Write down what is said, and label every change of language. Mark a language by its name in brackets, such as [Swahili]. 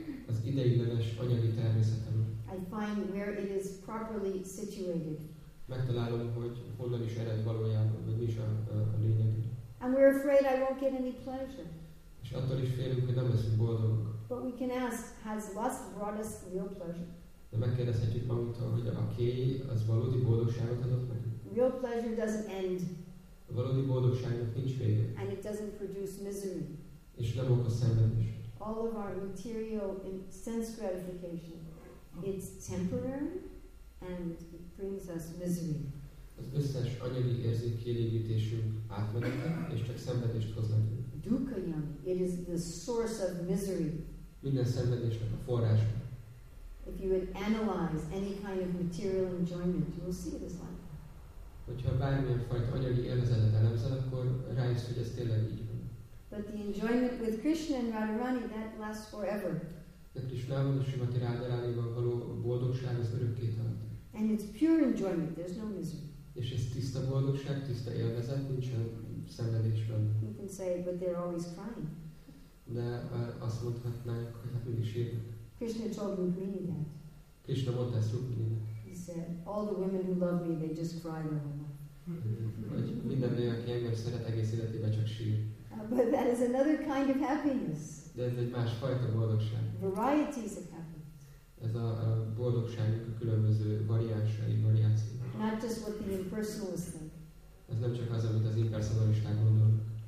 [Hungarian] Az ideiglenes anyagi természetem. [English] I find where it is properly situated. [Hungarian] Megtalálom, hogy honnan is ered valójában, vagy mi is a lényeg. [English] And we're afraid I won't get any pleasure. [Hungarian] És attól is félünk, hogy nem leszünk boldogok. [English] But we can ask, has lust brought us real pleasure? [Hungarian] De megkérdezhetjük magunktól, hogy a kéj az valódi boldogságot adott meg? [English] Real pleasure doesn't end. [Hungarian] A valódi boldogságnak nincs vége. [English] And it doesn't produce misery. [Hungarian] És nem okoz szenvedést. [English] All of our material sense gratification, it's temporary and it brings us misery. [Hungarian] Az összes anyagi érzék kielégítésünk átmeneti, és csak szenvedést hoz nekünk. [English] Dukkha-yami, it is the source of misery. [Hungarian] Minden szenvedésnek a forrása. [English] If you would analyze any kind of material enjoyment, you will see it as like. [Hungarian] Hogyha bármilyen fajta anyagi élvezetet elemzel, akkor rájössz, hogy ez tényleg így van. [English] But the enjoyment with Krishna and Radharani, that lasts forever. [Hungarian] De Krishnával és Srimati Radharanival való boldogság az örökké tart. [English] And it's pure enjoyment, there's no misery. [Hungarian] És ez tiszta boldogság, tiszta élvezet, nincsen szenvedés benne. [English] You can say, but they're always crying. [Hungarian] De azt mondhatnánk, hogy hát mindig sírnak. [English] Krishna told Rukmini that. [Hungarian] Krishna mondta ezt Rukmininek. [English] He said, all the women who love me, they just cry their whole life. [Hungarian] Hogy minden nő, aki engem szeret, egész életében csak sír. [English] But that is another kind of happiness. [Hungarian] De ez egy másfajta boldogság. [English] Varieties of happiness. [Hungarian] Ez a boldogságnak a különböző variációi. [English] Not just what the impersonalists think. [Hungarian] Ez nem csak az, amit az impersonalisták gondolnak.